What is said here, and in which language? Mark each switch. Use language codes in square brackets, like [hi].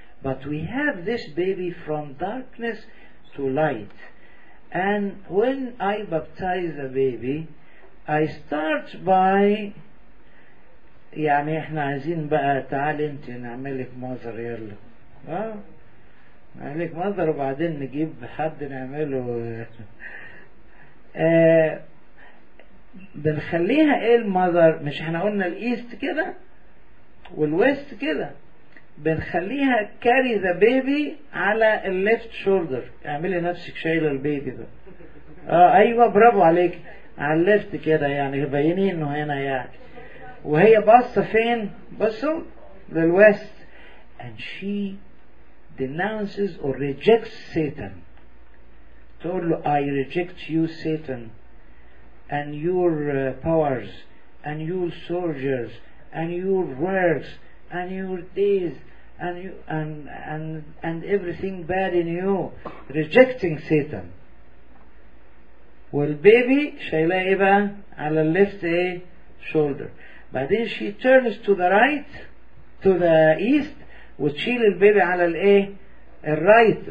[en] But we have this baby from darkness to light. And when I baptize a baby, I start by, [ar] يعني احنا عايزين بقى تعال انت نعملك مظهر يلا. عليك منظر وبعدين نجيب حد نعمله. بنخليها ايه المذر؟ مش احنا قلنا الايست كده والويست كده، بنخليها [en] carry the baby [ar] على [en] الليفت شولدر. [ar] اعملي نفسك شايله البيبي ده. ايوه برافو عليك، على الليفت كده يعني بيني انه هنا يعني. وهي بصة فين؟ بصوا للويست. [en] and she denounces or rejects Satan. [ar] تقول له [en] I reject you Satan and your powers and your soldiers and your works and your days and you and everything bad in you. Rejecting Satan. [ar] والبيبي شايلاه ايه بقى؟ على [en] left shoulder. بعدين she turns to the right to the east [ar] وتشيل البيبي على الايه؟ الرايت.